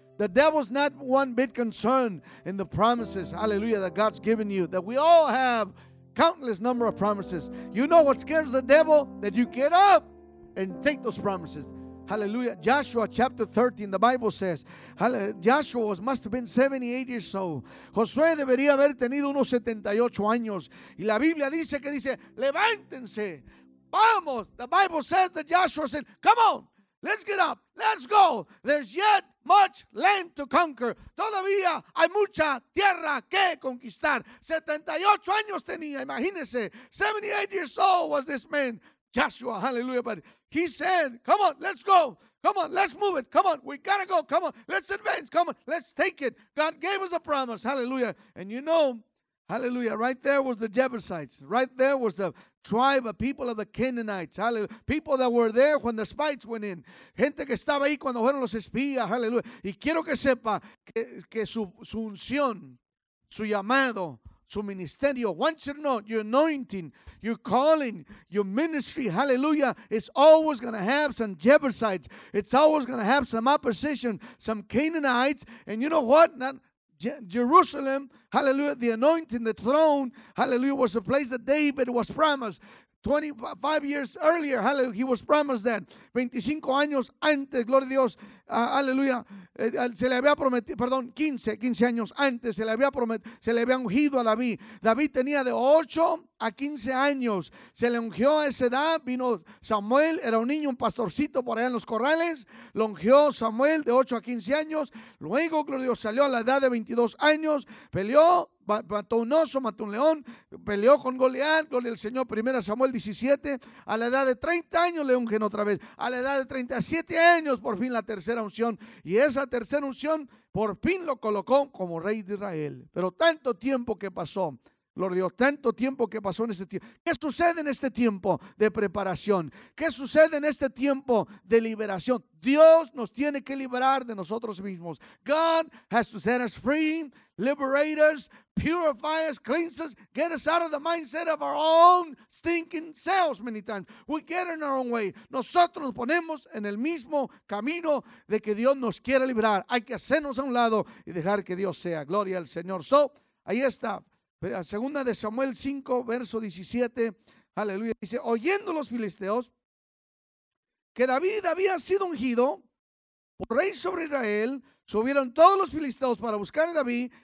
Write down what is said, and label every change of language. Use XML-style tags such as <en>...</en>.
<en>The devil's not one bit concerned in the promises, hallelujah, that God's given you, that we all have countless number of promises. You know what scares the devil? That you get up and take those promises. Hallelujah. Joshua chapter 13, the Bible says, Joshua must have been 78 years old.</en> <es>Josué debería haber tenido unos 78 años. Y la Biblia dice que dice, levántense, vamos.</es> <en>The Bible says that Joshua said, come on, let's get up, let's go. There's yet much land to conquer.</en> <es>Todavía hay mucha tierra que conquistar. 78 años tenía, imagínense.</es> <en>78 years old was this man, Joshua, hallelujah. But he said, come on, let's go. Come on, let's move it. Come on, we gotta go. Come on, let's advance. Come on, let's take it. God gave us a promise, hallelujah. And you know, hallelujah, right there was the Jebusites. Right there was the tribe of people of the Canaanites, hallelujah. People that were there when the spies went in.</en> <es>Gente que estaba ahí cuando fueron los espías, hallelujah. Y quiero que sepa que su unción, su llamado, su ministerio,</es> <en>once you know, your anointing, your calling, your ministry, hallelujah, it's always going to have some Jebusites. It's always going to have some opposition, some Canaanites. And you know what? Not Jerusalem, hallelujah, the anointing, the throne, hallelujah, was a place that David was promised 25 years earlier, hallelujah, he was promised that.</en> <es>25 años antes, gloria a Dios, aleluya, se le había prometido, perdón, 15 años antes, se le había ungido a David. David tenía de 8 a 15 años, se le ungió a esa edad. Vino Samuel, era un niño, un pastorcito por allá en los corrales, lo ungió Samuel de 8 a 15 años. Luego, gloria a Dios, salió a la edad de 22 años, peleó mató un oso, mató un león, peleó con Goliat, gloria al Señor, 1 Samuel 17, a la edad de 30 años le ungen otra vez, a la edad de 37 años por fin la tercera unción, y esa tercera unción por fin lo colocó como rey de Israel. Pero tanto tiempo que pasó, gloria a Dios, tanto tiempo que pasó en este tiempo. ¿Qué sucede en este tiempo de preparación? ¿Qué sucede en este tiempo de liberación? Dios nos tiene que liberar de nosotros mismos.</es> <en>God has to set us free, liberate us, purify us, cleanse us, get us out of the mindset of our own stinking selves many times. We get in our own way.</en> <es>Nosotros nos ponemos en el mismo camino de que Dios nos quiere liberar. Hay que hacernos a un lado y dejar que Dios sea. Gloria al Señor. So, ahí está. Segunda de Samuel 5, verso 17, aleluya, dice, oyendo los filisteos que David había sido ungido por rey sobre Israel, subieron todos los filisteos para buscar a David.</es>